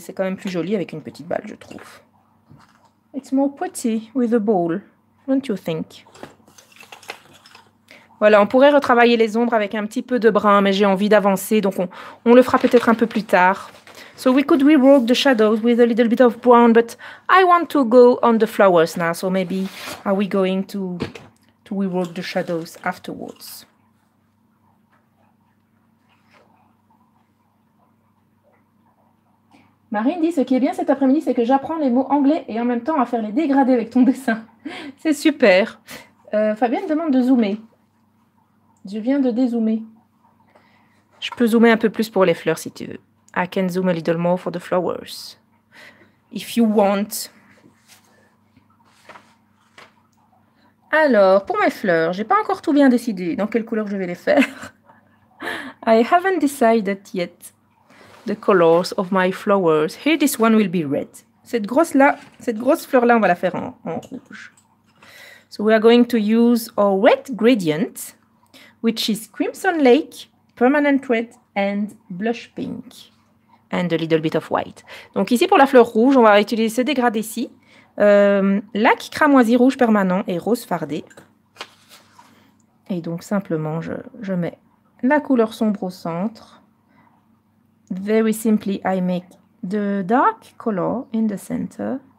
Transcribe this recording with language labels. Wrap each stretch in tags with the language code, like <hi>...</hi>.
<fr>C'est quand même plus joli avec une petite balle, je trouve.</fr> <en>It's more pretty with a ball, don't you think?</en> <fr>Voilà, on pourrait retravailler les ombres avec un petit peu de brun, mais j'ai envie d'avancer, donc on le fera peut-être un peu plus tard.</fr> <en>So we could rework the shadows with a little bit of brown, but I want to go on the flowers now, so maybe are we going to rework the shadows afterwards?</en> <fr>Marine dit, ce qui est bien cet après-midi, c'est que j'apprends les mots anglais et en même temps à faire les dégradés avec ton dessin. C'est super. Fabienne demande de zoomer. Je viens de dézoomer. Je peux zoomer un peu plus pour les fleurs si tu veux.</fr> <en>I can zoom a little more for the flowers. If you want.</en> <fr>Alors, pour mes fleurs, je n'ai pas encore tout bien décidé dans quelle couleur je vais les faire.</fr> <en>I haven't decided yet. The colors of my flowers. Here, this one will be red.</en> <fr>Cette grosse fleur-là, on va la faire en rouge.</fr> <en>So we are going to use our red gradient, which is Crimson Lake, Permanent Red, and Blush Pink. And a little bit of white.</en> <fr>Donc ici, pour la fleur rouge, on va utiliser ce dégradé-ci. Lac cramoisi rouge permanent et rose fardé. Et donc, simplement, je mets la couleur sombre au centre.</fr> <en>Very simply, I make the dark color in the center.</en>